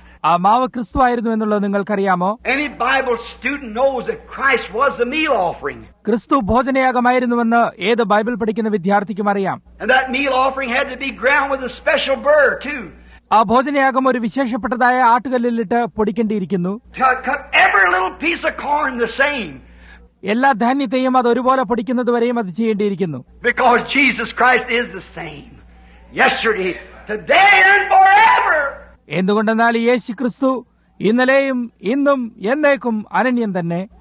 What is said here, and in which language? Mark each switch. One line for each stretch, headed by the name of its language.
Malayalam: ആ മാവ് ക്രിസ്തു ആയിരുന്നു എന്നുള്ളത് നിങ്ങൾക്കറിയാമോ?
English: Any Bible student knows that Christ was the meal offering.
Malayalam: ക്രിസ്തു ഭോജനയാഗമായിരുന്നുവെന്ന് ഏത് ബൈബിൾ പഠിക്കുന്ന വിദ്യാർത്ഥിക്കും അറിയാം.
English: And that meal offering had to be ground with a special burr too.
Malayalam: ആ ഭോജനയാഗം ഒരു വിശേഷപ്പെട്ടതായ ആട്ടുകല്ലിലിട്ട് പൊടിക്കേണ്ടിയിരിക്കുന്നു.
English: Every little piece of corn the same.
Malayalam: എല്ലാ ധാന്യത്തെയും അത് ഒരുപോലെ പൊടിക്കുന്നതുവരെയും അത് ചെയ്യേണ്ടിയിരിക്കുന്നു.
English: Because Jesus Christ is the same yesterday, today and forever.
Malayalam: എന്തുകൊണ്ടെന്നാൽ യേശു ക്രിസ്തു ഇന്നലെയും ഇന്നും എന്നേക്കും അനന്യം തന്നെ.